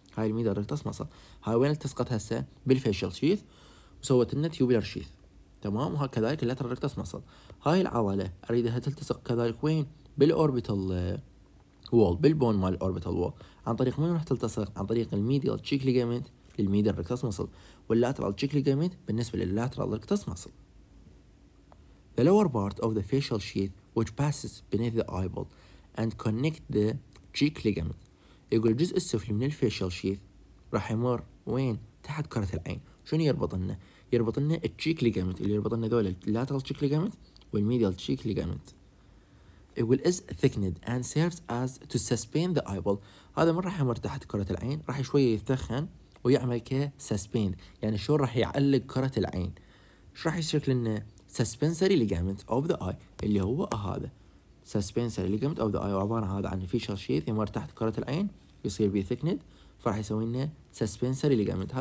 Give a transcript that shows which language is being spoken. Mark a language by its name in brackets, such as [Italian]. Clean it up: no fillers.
[Arabic] هاي الميدة اللي تصمصة، هاي وين التسقط هسه بالفيشل شيث وسوت لنا تيوبلر شيث، تمام؟ وكذلك اللاتر اللي تصمصة هاي العضلة اريدها تلتصق كذلك وين؟ بالاوربيتال وول، بالبون مال اوربيتال وول. عن طريق من راح تلتصق؟ عن طريق الميديال تشيك ليجامنت للميدل ركتس مصل، واللاترال تشيك ليجامنت بالنسبه لللاترال ركتس مصل. [English] The lower part of the facial sheath which passes beneath the eyeball and connect the cheek ligament. [Arabic] يقول الجزء السفلي من الفيشال شيث راح يمر وين؟ تحت كره العين. شنو يربط لنا؟ يربط لنا التشيك ليجامنت، اللي يربط لنا ذول اللاترال تشيك ليجامنت والميديال تشيك ليجامنت. [English] It will is thickened and serves as to suspend the eyeball. [Arabic] هذا من راح يمر تحت كرة العين راح شوية يتخن ويعمل ك suspend، يعني شو راح يعلق كرة العين. شو راح يشكل لنا؟ suspensory ligament of the eye، اللي هو هذا suspensory ligament of the eye، عبارة هذا عن facial sheath يمر تحت كرة العين يصير بي thickened، فراح يسوي لنا suspensory ligament.